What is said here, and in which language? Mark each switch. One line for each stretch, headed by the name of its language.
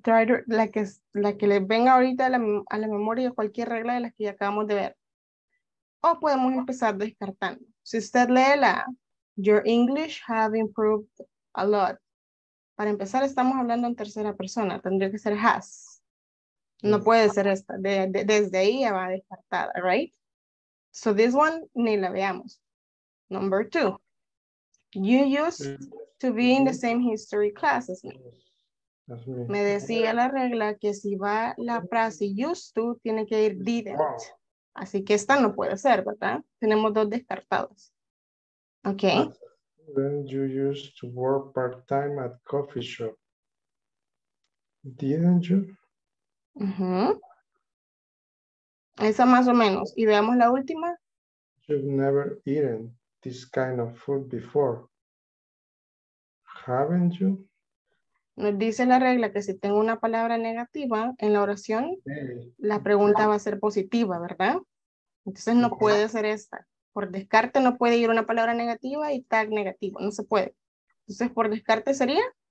English: Try to,
Spanish: la que les venga ahorita a la memoria, cualquier regla de las que ya acabamos de ver. O podemos empezar descartando. Si usted lee la,
English: your English have improved a lot.
Spanish: Para empezar, estamos hablando en tercera persona. Tendría que ser has. No puede ser esta. Desde ahí ya va descartada,
English: right? So this one,
Spanish: ni la veamos.
English: Number two. You used to be in the same history classes.
Spanish: Me decía la regla que si va la frase used to, tiene que ir didn't. Así que esta no puede ser, ¿verdad? Tenemos dos descartados. Okay.
English: Then you used to work part-time at coffee shop. Didn't you?
Spanish: Esa más o menos. Y veamos la última.
English: You've never eaten this kind of food before. Haven't you?
Spanish: Nos dice la regla que si tengo una palabra negativa en la oración, la pregunta va a ser positiva, ¿verdad? Entonces no puede ser esta. Por descarte no puede ir una palabra negativa y tag negativo, no se puede. Entonces por descarte sería?